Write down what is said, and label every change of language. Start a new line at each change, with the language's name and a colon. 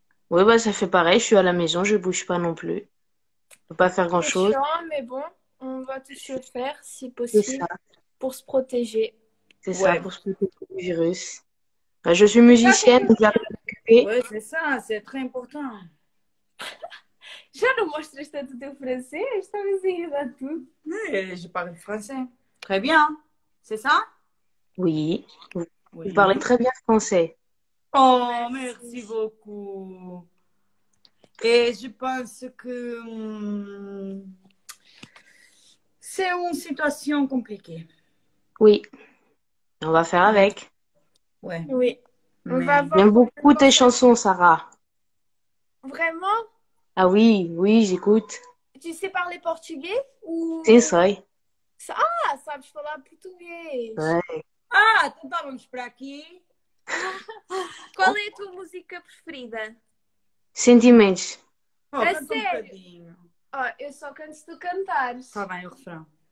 French: Oui, bah, ça fait pareil, je suis à la maison, je ne bouge pas non plus. Je ne peux pas faire grand-chose. C'est chiant, mais bon, on va tout se faire, si possible, pour se protéger. C'est ouais. Ça, pour se protéger du virus. Bah, je suis musicienne, donc j'arrive à m'occuper. Oui, c'est ça, c'est très important.
Portuguese: Já não mostraste tanto o francês? Estavas a ir dar tudo.
French: Je parle français. Très bien. C'est ça? Oui. Oui. Vous parlez très bien français. Oh, merci beaucoup. Et je pense que... c'est une situation compliquée. Oui. On va faire avec. Ouais. Oui. Mais... on va voir. J'aime beaucoup tes chansons, Sarah. Vraiment? Ah oui, oui, j'écoute. Tu sais parler portugais ou... C'est ça.
Portuguese: Ah, sabes falar português. Ah, então tá, vamos para aqui. Qual é a tua música preferida? Sentimentos. Oh, é sério? Oh, eu só canto se tu cantares. Tá bem, o refrão.